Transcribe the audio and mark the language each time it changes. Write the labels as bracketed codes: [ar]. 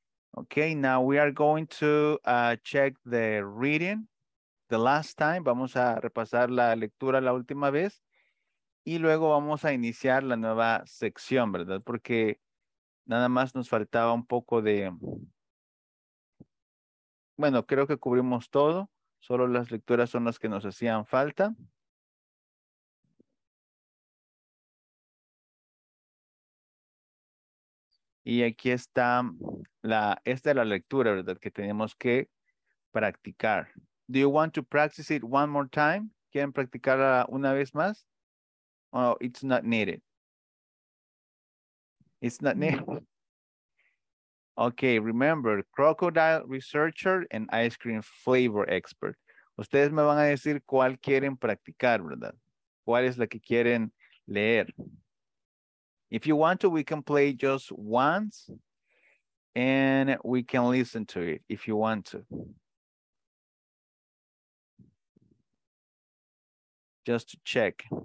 [en] Okay, now we are going to check the reading the last time. [es] Vamos a repasar la lectura la última vez. Y luego vamos a iniciar la nueva sección, ¿verdad? Porque nada más nos faltaba un poco de, bueno, creo que cubrimos todo. Solo las lecturas son las que nos hacían falta. Y aquí está esta es la lectura, ¿verdad?, que tenemos que practicar. [en] Do you want to practice it one more time? [es] ¿Quieren practicarla una vez más? [en] Oh, it's not needed. It's not me. Okay, remember, crocodile researcher and ice cream flavor expert. [es] Ustedes me van a decir cuál quieren practicar, ¿verdad? ¿Cuál es la que quieren leer? [en] If you want to, we can play just once and we can listen to it if you want to. Just to check.